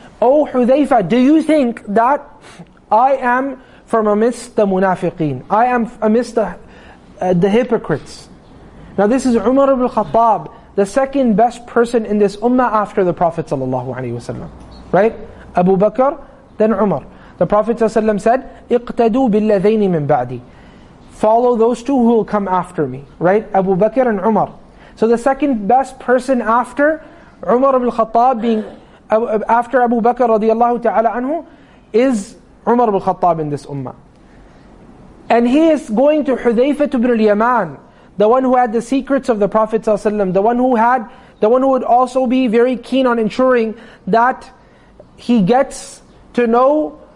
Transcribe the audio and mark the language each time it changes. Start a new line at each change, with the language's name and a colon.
English: O Hudhayfa, do you think that I am from amidst the munafiqeen? I am amidst the hypocrites. Now this is Umar ibn Khattab, the second best person in this ummah after the Prophet ﷺ. Right? Abu Bakr, then Umar. The Prophet ﷺ said,
Arabic: اِقْتَدُوا بِالَّذَيْنِ مِنْ بَعْدِي.
English: Follow those two who will come after me. Right? Abu Bakr and Umar. So the second best person after Umar ibn Khattab, being after Abu Bakr radiallahu ta'ala anhu, is Umar ibn Khattab in this ummah. And he is going to Hudhayfah ibn al-Yaman, the one who had the secrets of the Prophet ﷺ, the one who would also be very keen on ensuring that he gets to know